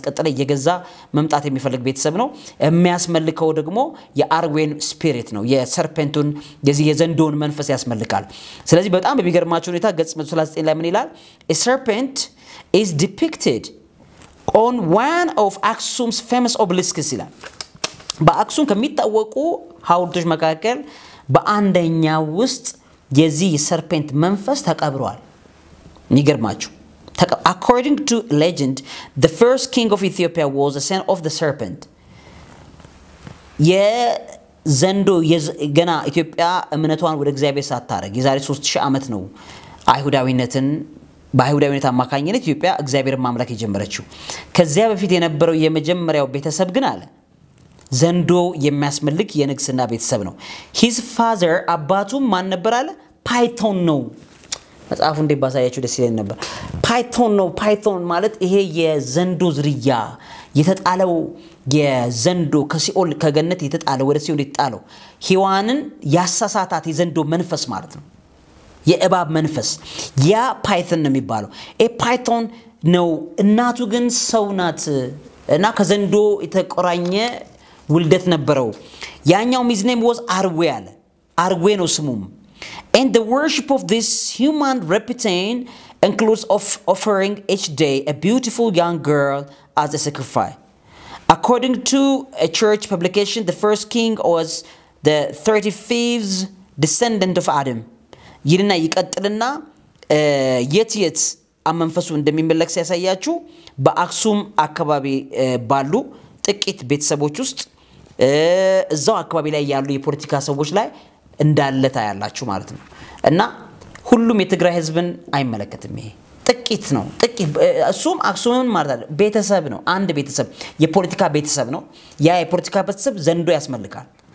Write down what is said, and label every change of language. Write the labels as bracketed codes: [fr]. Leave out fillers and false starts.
[am] እየገዛ መምጣት የሚፈልግ ቤተሰብ ነው። የሚያስመልከው ደግሞ የአርዌን ስፒሪት ነው፣ የሰርፔንቱን የዚህ የዘንዶን መንፈስ ያስመልካል። ስለዚህ በጣም በሚገርማችሁ ሁኔታ ገጽ 39 ላይ ምን ይላል? [en] A serpent is depicted on one of Aksum's famous obelisks [am] ይላል። በአክሱም ከሚታወቁ ሐውልቶች መካከል በአንደኛው ውስጥ የዚህ ሰርፔንት መንፈስ ተቀብሯል። ይገርማችሁ። [en] According to legend, the first king of Ethiopia was a son of the serpent. [am] የዘንዶ ገና ኢትዮጵያ እምነቷን ወደ እግዚአብሔር ሳታረግ የዛሬ 3000 ዓመት ነው አይሁዳዊነትን በአይሁዳዊነት አማካኝነት ኢትዮጵያ እግዚአብሔር ማምለክ የጀመረችው። ከዚያ በፊት የነበረው የመጀመሪያው ቤተሰብ ግን አለ ዘንዶ የሚያስመልክ የንግስና ቤተሰብ ነው። [en] His father [am] አባቱ ማን ነበር አለ? Python ነው። መጽሐፉ እንዴ ባሳያችሁ ደስ ይለኝ ነበር። Python ነው። Python ማለት ይሄ የዘንዶ ዝርያ የተጣለው የዘንዶ ከሲኦል ከገነት የተጣለው ወደ ሲኦል የተጣለው ሔዋንን ያሳሳታት የዘንዶ መንፈስ ማለት ነው። የእባብ መንፈስ ያ [en] Python [am] ነው የሚባለው። [en] A Python [am] ነው። እናቱ ግን ሰው ናት እና ከዘንዶ የተቆራኘ ውልደት ነበረው። ያኛው [en] his name was Arwe [am] አለ። [en] Arwe [am] ነው ስሙም። [en] And the worship of this human reptile includes of offering each day a beautiful young girl as a sacrifice. According to a church publication, the first king was the 35th descendant of Adam. [am] ይልና ይቀጥልና የትየት አመንፈሱ እንደሚመለክ ሲያሳያችሁ በአክሱም አከባቢ ባሉ ጥቂት ቤተሰቦች ውስጥ እዛው አክባቢ ላይ ያሉ የፖለቲካ ሰዎች ላይ እንዳለታ ያላችሁ ማለት ነው። እና ሁሉም የትግራይ ህዝብን አይመለከትም። ይሄ ጥቂት ነው። ጥቂት እሱም አክሱምን ማርታል ቤተሰብ ነው። አንድ ቤተሰብ የፖለቲካ ቤተሰብ ነው። ያ የፖለቲካ ቤተሰብ ዘንዶ ያስመልካል።